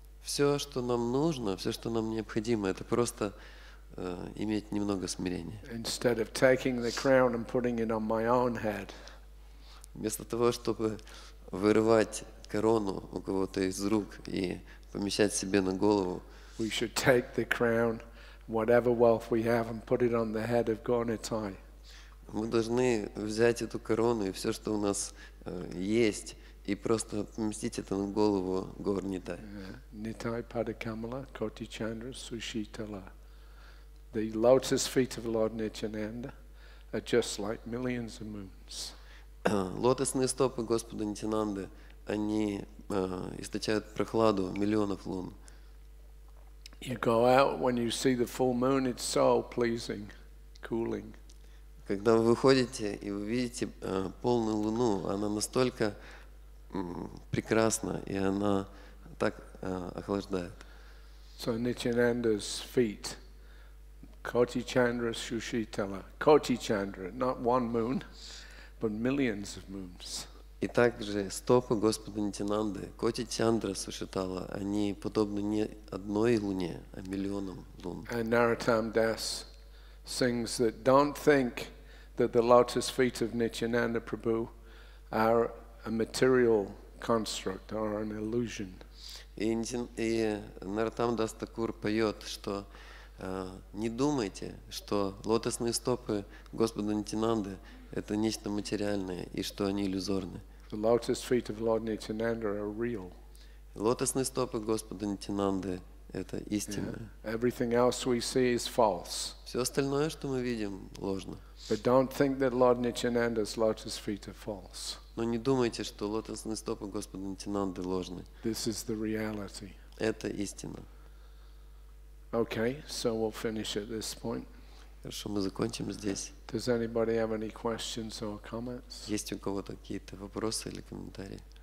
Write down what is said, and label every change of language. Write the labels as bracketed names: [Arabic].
[Russian] Все, что нам нужно, все, что нам необходимо, это просто иметь немного смирения. [English] Instead of taking the crown and putting it on my own head. [Russian] Вместо того, чтобы вырывать корону у кого-то из рук и помещать себе на голову. [English] We should take the crown, whatever wealth we have, and put it on the head of Gaunatai. [Russian] Мы должны взять эту корону и все, что у нас есть, и просто поместить это на голову Гор Нитай. [Bangla] Нитай Падакамала, Коти Чандра, Сушитала. [English] The lotus feet of Lord Nityananda are just like millions of moons. [Russian] Лотосные стопы Господа Нитянанды, они источают прохладу миллионов лун. [English] You go out when you see the full moon, it's so pleasing, cooling. [Russian] Когда вы выходите и вы видите полную луну, она настолько прекрасна, и она так охлаждает. [English] So Nityananda's feet, Koti Chandra Sushitala, Koti Chandra, not one moon, but millions of moons. [Russian] И также стопы Господа Нитянанды, Коти Чандра Сушитала, они подобны не одной луне, а миллионам лун. [English] And Narottam Das sings that don't think that the lotus feet of Nityananda Prabhu are a material construct or an illusion. [Russian] И Narottam Das Thakur поет, что не думайте, что лотосные стопы Господа Нитянанды это нечто материальное и что они иллюзорны. [English] The lotus feet of Lord Nityananda are real. [Russian] Лотосные стопы Господа Нитянанды это истина. [English] Everything else we see is false. [Russian] Все остальное, что мы видим, ложно. [English] But don't think that Lord Nityananda's lotus feet are false. [Russian] Но не думайте, что лотосные стопы Господа Нитянанды ложны. [English] This is the reality. [Russian] Это истина. [English] Okay, so we'll finish at this point. [Russian] Хорошо, мы закончим здесь. [English] Does anybody have any questions or comments? [Russian] Есть у кого-то какие-то вопросы или комментарии?